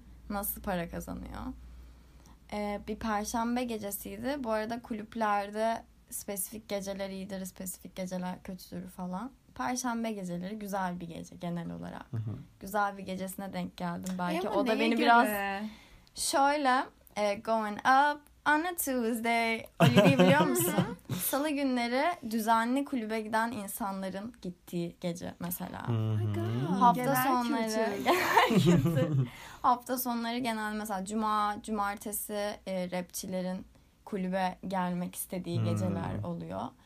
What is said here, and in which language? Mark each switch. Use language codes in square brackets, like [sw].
[tr] Nasıl para kazanıyor? Bir perşembe gecesiydi. Bu arada kulüplerde spesifik geceler iyidir, spesifik geceler kötüdür falan. Perşembe geceleri güzel bir gece genel olarak. Hı-hı. Güzel bir gecesine denk geldim. Belki o da beni gibi? Biraz... [en] Şöyle, going up on a Tuesday. [tr] Olivia biliyor musun? Salı günleri düzenli kulübe giden insanların gittiği gece mesela. [en] Oh my god. [tr] Hafta sonları hafta sonları genelde mesela cuma, cumartesi rapçilerin kulübe gelmek istediği geceler oluyor.